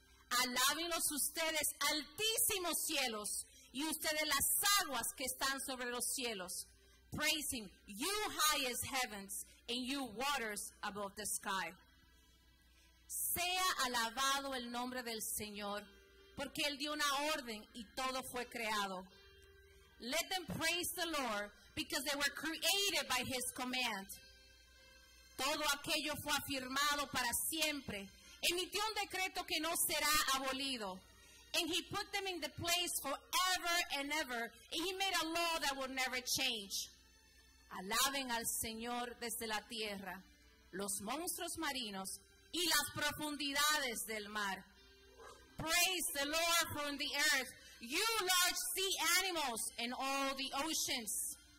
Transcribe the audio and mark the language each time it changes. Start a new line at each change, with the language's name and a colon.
Spanish: Alábenlos ustedes, altísimos cielos, y ustedes las aguas que están sobre los cielos.
English: Praise Him, you highest heavens, and you waters above the sky.
Spanish: Sea alabado el nombre del Señor, porque Él dio una orden y todo fue creado.
English: Let them praise the Lord, because they were created by His command.
Spanish: Todo aquello fue afirmado para siempre. Emitió un decreto que no será abolido.
English: And He put them in the place forever and ever. And He made a law that will never change.
Spanish: Alaben al Señor desde la tierra, los monstruos marinos y las profundidades del mar.
English: Praise the Lord from the earth, you large sea animals and all the oceans.